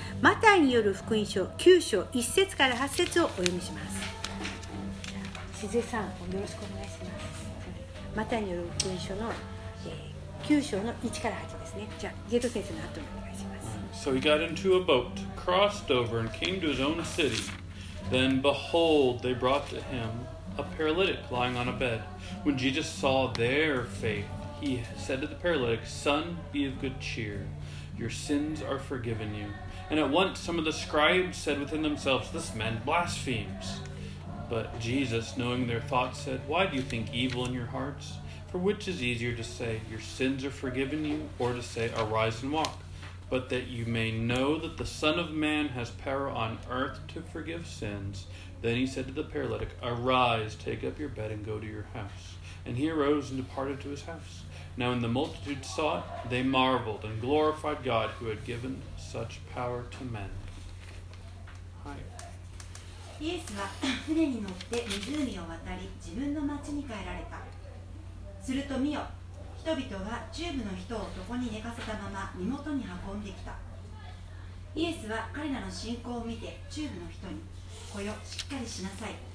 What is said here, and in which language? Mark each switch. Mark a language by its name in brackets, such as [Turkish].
[Japanese] マタイによる福音書9章1節から8節をお読みします。しずえさん、よろしくお願いします。マタイによる福音書の、9章の1から8ですね。じゃあ、ジェト先生の後にお願いします。 [English] So he got into a boat, crossed over, and came to his own city. Then behold, they brought to him a paralytic lying on a bed. When Jesus saw their faith, he said to the paralytic, Son, be of good cheer. Your sins are forgiven you. And at once some of the scribes said within themselves, This man blasphemes. But Jesus, knowing their thoughts, said, Why do you think evil in your hearts? For which is easier to say, Your sins are forgiven you, or to say, Arise and walk? But that you may know that the Son of Man has power on earth to forgive sins. Then he said to the paralytic, Arise, take up your bed and go to your house. And he arose and departed to his house. Now when the multitude saw it, they marveled and glorified God who had given such power to men. Hi. [Japanese] イエスは船に乗って湖を渡り自分の町に帰られた。すると見よ。人々はチューブの人を床に寝かせたまま身元に運んできた。イエスは彼らの信仰を見てチューブの人に、来よ、しっかりしなさい。